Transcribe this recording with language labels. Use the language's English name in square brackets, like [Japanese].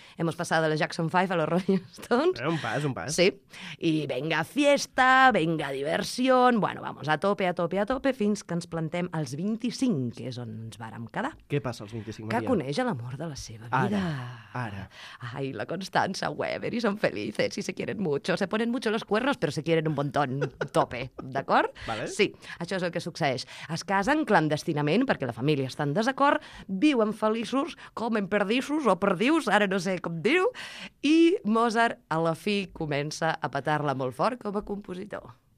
[Spanish] Hemos pasado de la Jackson 5 a los Rolling Stones. [Catalan] Un pas, un pas. Sí. [Spanish] I venga fiesta, venga diversión. Bueno, vamos, a tope, [Catalan] a tope, a tope, fins que ens plantem als 25, que és on ens vàrem quedar. Què passa als 25, Maria? Que coneix l'amor de la seva vida. Ara, ara. [Spanish] Ay, la Constanza Weber, y son felices, y se quieren mucho. Se ponen mucho los cuernos, pero se quieren un montón. [Catalan] Tope, d'acord? Vale. Sí, això és el que succeeix. Es casen clandestinament, perquè la família està en desacord, viuen feliços, comen perdissos o perdius, ara no sé com diu, i Mozart, a la fi, comença a petar-la molt fort com a compositor.